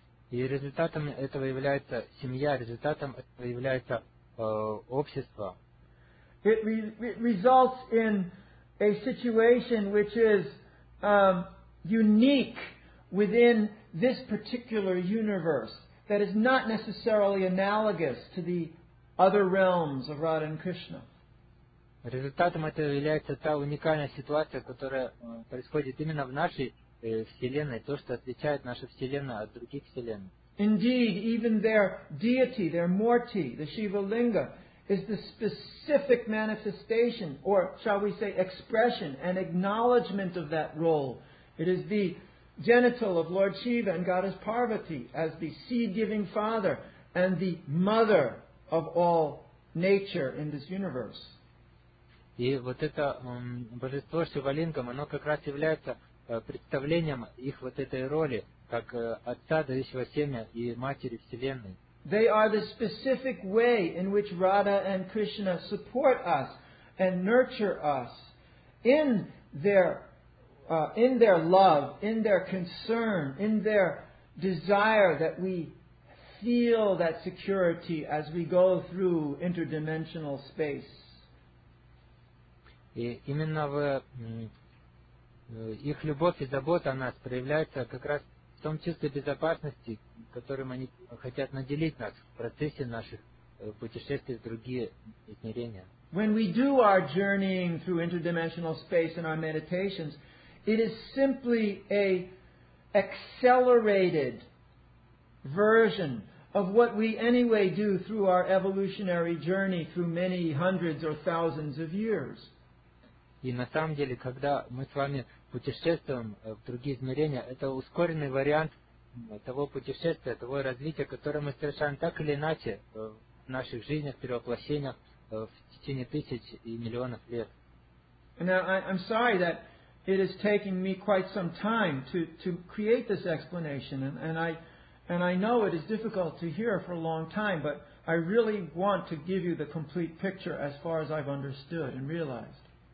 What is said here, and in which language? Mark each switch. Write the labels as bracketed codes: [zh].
[ru] И результатом этого является семья, результатом этого является общество. [en] It results in a situation which is unique within this particular universe that is not necessarily analogous to the other realms of Radha and Krishna. [ru] Результатом этого является та уникальная ситуация, которая происходит именно в нашей Вселенной, то, что отличает нашу Вселенную от других Вселенных. [en] Indeed, even their deity, their Murti, the Shiva Linga, is the specific manifestation, or shall we say, expression and acknowledgement of that role. It is the genital of Lord Shiva and Goddess Parvati as the seed-giving father and the mother of all nature in this universe. [ru] И вот это божество Шивалингам, оно как раз является представлением их вот этой роли, как отца, дающего семя, и матери Вселенной. [en] They are the specific way in which Radha and Krishna support us and nurture us in their love, in their concern, in their desire that we feel that security as we go through interdimensional space. [ru] И именно в их любовь и забота о нас проявляется как раз в том чувстве безопасности, которым они хотят наделить нас в процессе наших путешествий в другие измерения. [en] When we do our journeying through interdimensional space in our meditations, it is simply a accelerated version of what we anyway do through our evolutionary journey through many hundreds or thousands of years. [ru] И на самом деле, когда мы с вами путешествуем в другие измерения, это ускоренный вариант того путешествия, того развития, которое мы совершаем так или иначе в наших жизнях, перевоплощениях в течение тысяч и миллионов лет. [en] Now, I'm sorry that it is taking me quite some time to create this explanation, and I know it is difficult to hear for a long time, but I really want to give you the complete picture as far as I've understood and realized.